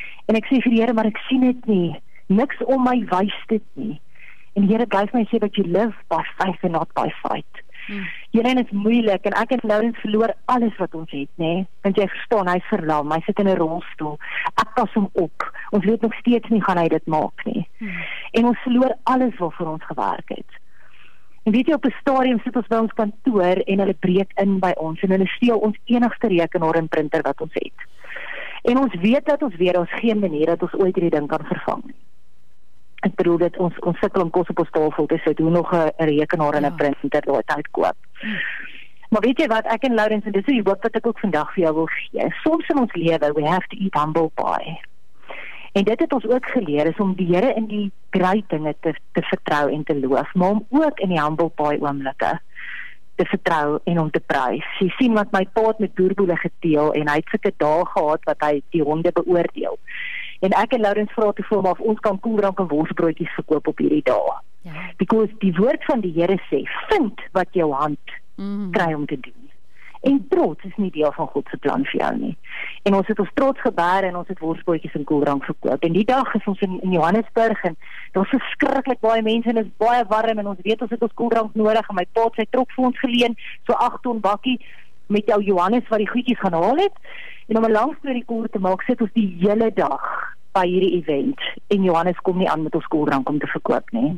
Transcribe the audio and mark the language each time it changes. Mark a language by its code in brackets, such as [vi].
[af] En ek sê vir die Here, maar ek sien dit nie, niks om my wys dit nie. En die Here gee my sê, [en] but you live by faith and not by sight. [af] Hierin is moeilik en ek het nou en verloor alles wat ons het, nee, want jy verstaan, hy is verlam, hy sit in 'n rolstoel, ek pas hom op, ons weet nog steeds nie gaan hy dit maak nie. En ons verloor alles wat vir ons gewerk het. En weet jy, op 'n stadium sit ons by ons kantoor en hulle breek in by ons en hulle steel ons enigste rekenaar en printer wat ons het. En ons weet dat ons weer ons geen manier dat ons ooit hierdie ding kan vervang nie. Ek bedoel dat ons sikkel om kos op ons tafel te sit, hoe nog 'n rekenaar en 'n printer daai tyd koop. Maar weet jy wat, ek en Laurens, en dis die hoop wat ek ook vandag vir jou wil gee. Soms in ons lewe, [en] we have to eat humble pie. [af] En dit het ons ook geleer, is om die Here in die groot dinge te vertrou en te loof, maar om ook in die humble pie oomblikke te vertrou en om te prys. Jy sien wat my pa het met boerboele geteel, en hy het sulke dae gehad wat hy die honde beoordeel. En ek en Laurens vra toe vir hom of ons kan koeldrank en worsbroodjies verkoop op hierdie dae. Ja. Because die woord van die Here sê, vind wat jou hand kry om te doen. En trots is nie deel van God se plan vir jou nie. En ons het ons trots gebeer en ons het worsbroodjies en koeldrank verkoop. En die dag is ons in Johannesburg en daar's verskriklik baie mense en is baie warm en ons weet ons het ons koeldrank nodig en my pa het sy trok vir ons geleen, so 8 ton bakkie met jou Johannes wat die goedjies gaan haal het. En om 'n lang storie kort te maak, sit ons die hele dag by hierdie event en Johannes kom nie aan met ons koeldrank om te verkoop nie.